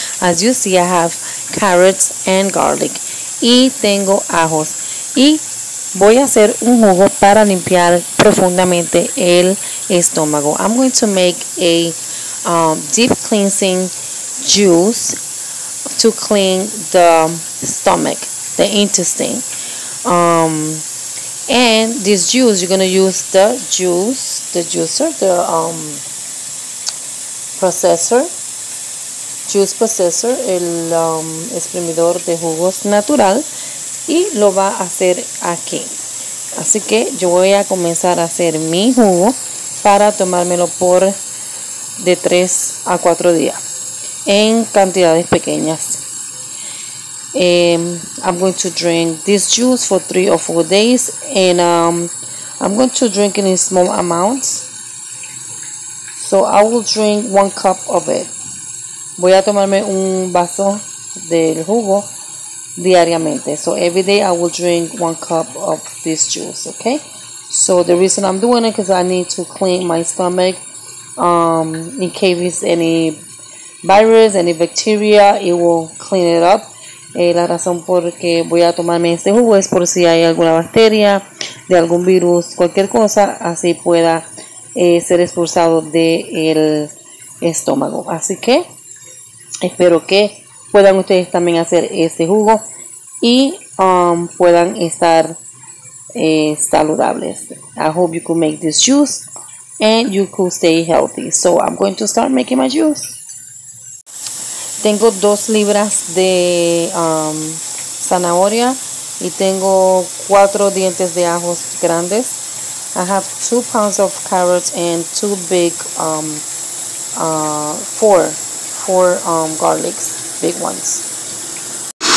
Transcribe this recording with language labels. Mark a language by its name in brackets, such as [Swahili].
[English] As you see, I have carrots and garlic. [Spanish] Y tengo ajos. Y voy a hacer un jugo para limpiar profundamente el estómago. [English] I'm going to make a deep cleansing juice to clean the stomach, the intestine. And this juice, you're going to use the juice, the juicer, the processor, juice processor, [Spanish] el exprimidor de jugos natural, y lo va a hacer aquí. Así que yo voy a comenzar a hacer mi jugo para tomármelo por de 3 a 4 días en cantidades pequeñas. [English] I'm going to drink this juice for 3 or 4 days, and I'm going to drink it in small amounts, so I will drink 1 cup of it. [Spanish] Voy a tomarme un vaso del jugo diariamente, [English] so every day I will drink 1 cup of this juice. Okay, so the reason I'm doing it because I need to clean my stomach, in case it's any virus, any bacteria, it will clean it up. [Spanish] La razón por que voy a tomarme este jugo es por si hay alguna bacteria, de algún virus, cualquier cosa, así pueda ser expulsado del estómago. Así que espero que puedan ustedes también hacer este jugo y puedan estar saludables. [English] I hope you could make this juice and you could stay healthy. So I'm going to start making my juice. [Spanish] Tengo 2 libras de zanahoria y tengo 4 dientes de ajos grandes. [English] I have 2 pounds of carrots and 2 big, 4 garlics, big ones.